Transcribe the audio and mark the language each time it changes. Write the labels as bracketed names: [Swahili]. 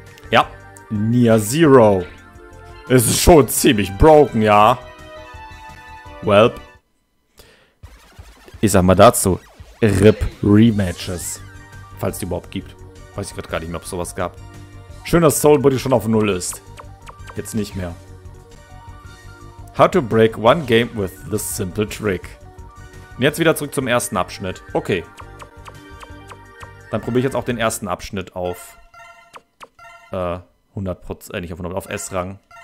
[German] Ja, Near Zero. Es ist schon ziemlich broken, ja. Welp. Ich sag mal dazu, RIP Rematches. Falls die überhaupt gibt. Weiß ich gerade gar nicht mehr, ob es sowas gab. Schön, dass Soulbody schon auf Null ist. Jetzt nicht mehr. [English] How to break one game with the simple trick. [German] Und jetzt wieder zurück zum ersten Abschnitt. Okay. Dann probiere ich jetzt auch den ersten Abschnitt auf 100%, nicht auf 100, auf S-Rang.